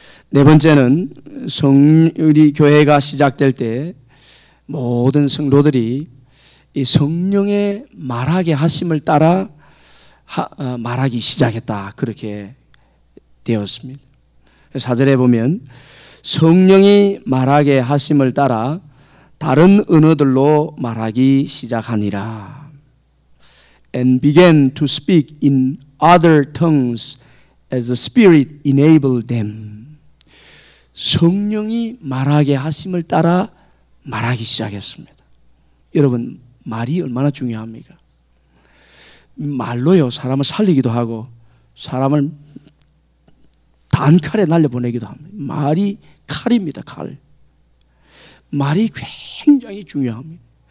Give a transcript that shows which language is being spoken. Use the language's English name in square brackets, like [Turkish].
[Korean] 네 번째는 우리 교회가 시작될 때 모든 성도들이 이 성령의 말하게 하심을 따라 말하기 시작했다. 그렇게 되었습니다. 4절에 보면 성령이 말하게 하심을 따라 다른 언어들로 말하기 시작하니라. [English] And began to speak in other tongues as the Spirit enabled them. [Korean] 성령이 말하게 하심을 따라 말하기 시작했습니다. 여러분 말이 얼마나 중요합니까? 말로요 사람을 살리기도 하고 사람을 단칼에 날려보내기도 합니다. 말이 칼입니다. 칼. 말이 굉장히 중요합니다.